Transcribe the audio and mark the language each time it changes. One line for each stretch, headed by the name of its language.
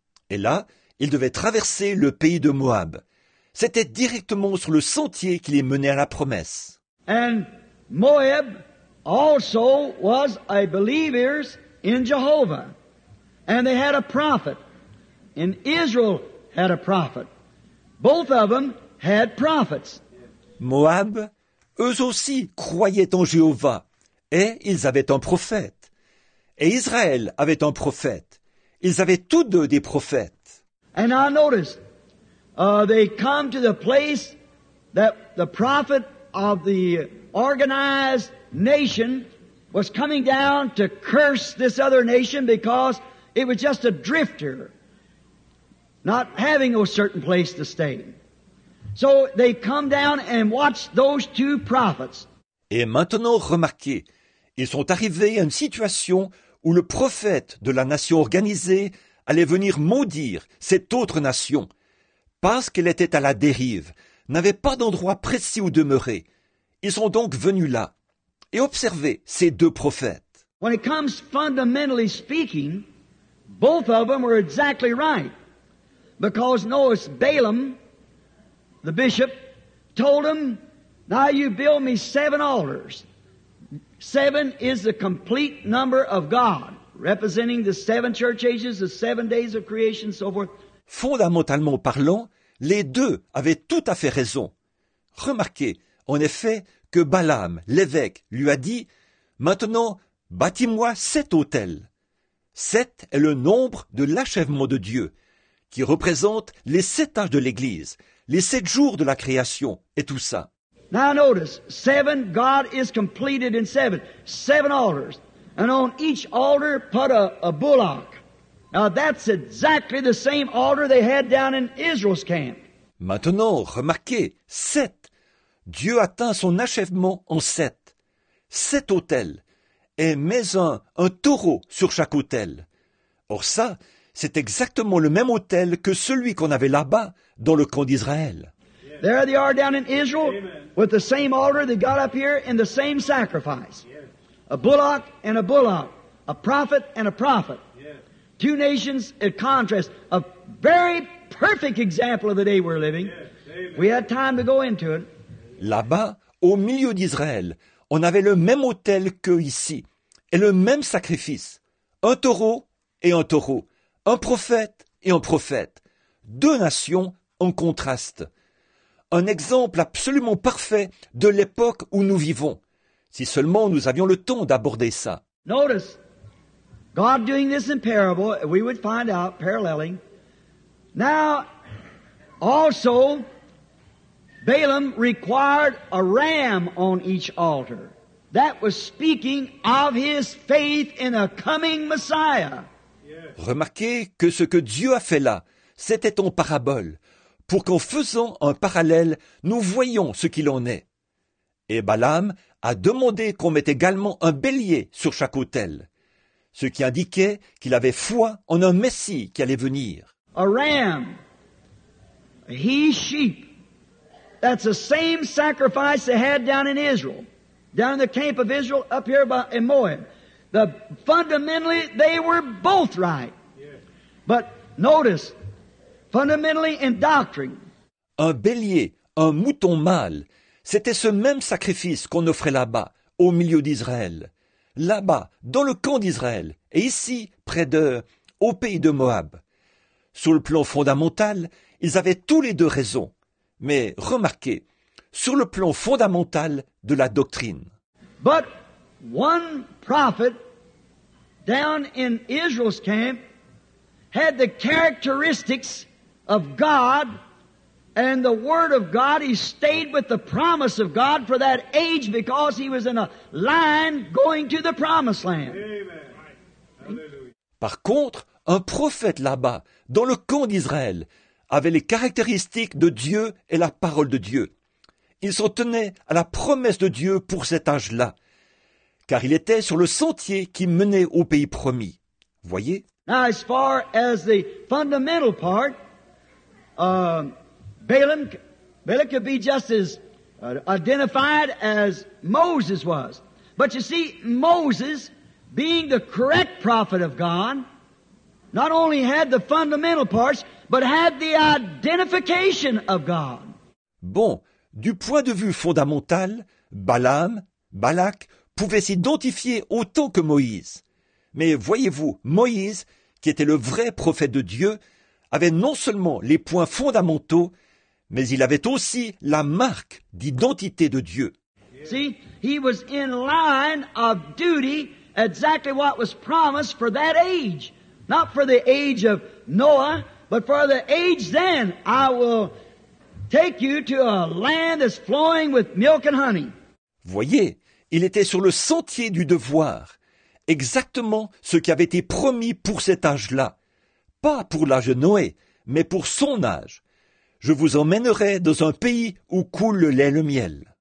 French: Et là, ils devaient traverser le pays de Moab. C'était directement sur le sentier qui les menait à la promesse.
English: And Moab also was a believer in Jehovah. And they had a prophet. And Israel had a prophet. Both of them had prophets.
French: Moab, eux aussi, croyaient en Jéhovah. Et ils avaient un prophète. Et Israël avait un prophète. Ils avaient tous deux des prophètes.
English: And I noticed, they come to the place that the prophet of the organized nation was coming down to curse this other nation because it was just a drifter, not having no certain place to stay. So they come down and watch those two prophets.
French: Et maintenant, remarquez, ils sont arrivés à une situation où le prophète de la nation organisée allait venir maudire cette autre nation parce qu'elle était à la dérive, n'avait pas d'endroit précis où demeurer. Ils sont donc venus là et observez ces deux prophètes.
English: When it comes fundamentally speaking, both of them were exactly right. Because notice, Balaam, the bishop, told them Now you build me seven altars. Seven is the complete number of God, representing the seven church ages, the 7 days of creation, so forth.
French: Fondamentalement parlant, les deux avaient tout à fait raison. Remarquez, en effet, que Balaam, l'évêque, lui a dit « Maintenant, bâtis-moi sept autels. » Sept est le nombre de l'achèvement de Dieu, qui représente les sept âges de l'Église, les sept jours de la création et tout ça.
English: Now notice, seven, God is completed in seven. Seven altars. And on each altar put a bullock. Now that's exactly the same altar they had down in Israel's camp.
French: Maintenant, remarquez, sept. Dieu atteint son achèvement en sept. Sept autels. Et mets un taureau sur chaque autel. Or ça, c'est exactement le même autel que celui qu'on avait là-bas, dans le camp d'Israël.
English: There they are down in Israel, Amen. With the same altar they got up here in the same sacrifice. A bullock and a bullock. A prophet and a prophet. Two nations in contrast. A very perfect example of the day we're living. We had time to go into it.
French: Là-bas, au milieu d'Israël, on avait le même autel qu'ici. Et le même sacrifice. Un taureau et un taureau. Un prophète et un prophète. Deux nations en contraste. Un exemple absolument parfait de l'époque où nous vivons. Si seulement nous avions le temps d'aborder ça.
English: Notice, God doing this in parable, we would find out, paralleling. Now, also, Balaam required a ram on each altar. That was speaking of his faith in a coming Messiah.
French: Remarquez que ce que Dieu a fait là, c'était en parabole. Pour qu'en faisant un parallèle, nous voyons ce qu'il en est. Et Balaam a demandé qu'on mette également un bélier sur chaque autel, ce qui indiquait qu'il avait foi en un Messie qui allait venir.
English: A ram, a he sheep, that's the same sacrifice they had down in Israel, down in the camp of Israel, up here by Moab. The fundamentally, they were both right. But notice. Fundamentally in doctrine.
French: Un bélier, un mouton mâle, c'était ce même sacrifice qu'on offrait là-bas, au milieu d'Israël. Là-bas, dans le camp d'Israël, et ici, près de, au pays de Moab. Sur le plan fondamental, ils avaient tous les deux raison. Mais remarquez, sur le plan fondamental de la doctrine.
English: But one prophet down in Israel's camp had the characteristics of God and the Word of God. He stayed with the promise of God for that age because he was in a line going to the promised land. Amen.
French: Par contre, un prophète là-bas, dans le camp d'Israël, avait les caractéristiques de Dieu et la parole de Dieu. Il s'en tenait à la promesse de Dieu pour cet âge-là, car il était sur le sentier qui menait au pays promis. Voyez?
English: Now, as far as the fundamental part, Balaam could be just as identified as Moses was. But you see, Moses, being the correct prophet of God, not only had the fundamental parts, but had the identification of God.
French: Bon, du point de vue fondamental, Balak pouvait s'identifier autant que Moïse. Mais voyez-vous, Moïse, qui était le vrai prophète de Dieu, avait non seulement les points fondamentaux, mais il avait aussi la marque d'identité de Dieu.
English: See, he was in line of duty, exactly what was promised for that age. Not for the age of Noah, but for the age then. I will take you to a land that's flowing with milk and honey.
French: Voyez, il était sur le sentier du devoir, exactement ce qui avait été promis pour cet âge-là. Pas pour l'âge de Noé, mais pour son âge. Je vous emmènerai dans un pays où coule le lait et le miel.